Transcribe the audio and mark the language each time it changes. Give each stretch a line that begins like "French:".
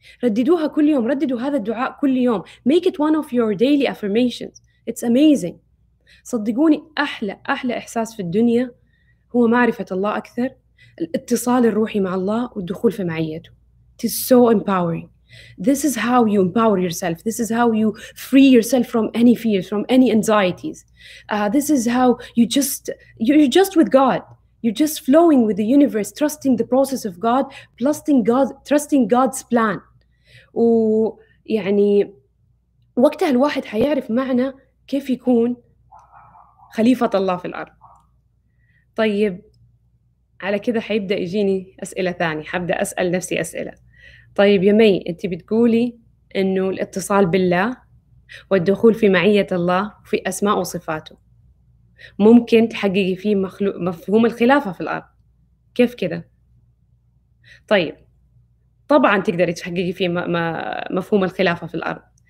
Arabic: رددوها كل يوم، رددوا هذا الدعاء كل يوم.
English: Make it one of your daily affirmations. It's amazing.
Arabic: صدقوني أحلى أحلى إحساس في الدنيا هو معرفة الله أكثر، الاتصال الروحي مع الله والدخول في معيته.
English: It is so empowering. This is how you empower yourself. This is how you free yourself from any fears, from any anxieties. This is how you just, you're just with God. You're just flowing with the universe, trusting the process of God, trusting God's plan.
Arabic: ويعني وقتها الواحد حيعرف معنى كيف يكون خليفة الله في الأرض. طيب على كذا حيبدأ يجيني أسئلة ثانية، حبدأ أسأل نفسي أسئلة. طيب يا مي، أنت بتقولي أنه الاتصال بالله والدخول في معية الله في أسماء وصفاته ممكن تحققي فيه مفهوم الخلافة في الأرض، كيف كذا؟ طيب طبعاً تقدري تحققي فيه مفهوم الخلافة في الأرض.